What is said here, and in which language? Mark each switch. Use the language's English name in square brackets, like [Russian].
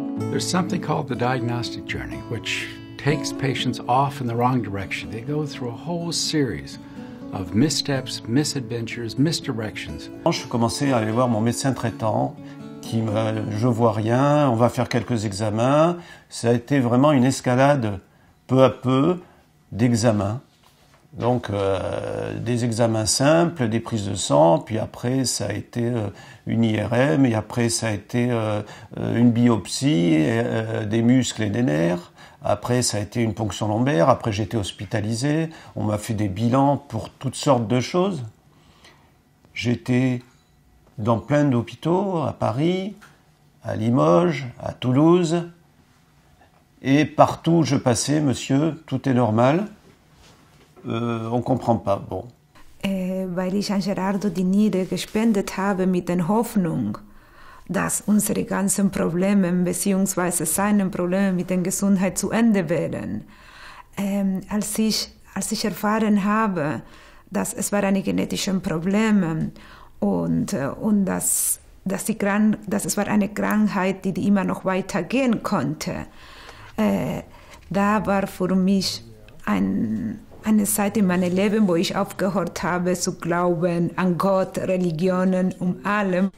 [English] There's something called the diagnostic journey, which takes patients off in the wrong direction. They go through a whole series of missteps, misadventures, misdirections. [French] Je commençais à aller voir mon médecin traitant, qui me dit, je vois rien, on va faire quelques examens. Ça a été vraiment une escalade, peu à peu, d'examens. Donc, des examens simples, des prises de sang, puis après, ça a été une IRM, et après, ça a été une biopsie, des muscles et des nerfs. Après, ça a été une ponction lombaire. Après, j'ai été hospitalisé. On m'a fait des bilans pour toutes sortes de choses. J'étais dans plein d'hôpitaux, à Paris, à Limoges, à Toulouse. Et partout où je passais, monsieur, tout est normal. On ne comprend pas. Bon. [German] Weil ich an Gerardo die Niere gespendet habe mit der Hoffnung, dass unsere ganzen Probleme beziehungsweise seine Probleme mit der Gesundheit zu Ende wären. Als ich erfahren habe, dass es war eine genetische Probleme und dass es war eine Krankheit, die immer noch weitergehen konnte, da war für mich eine Zeit in meinem Leben, wo ich aufgehört habe zu glauben an Gott, Religionen und allem.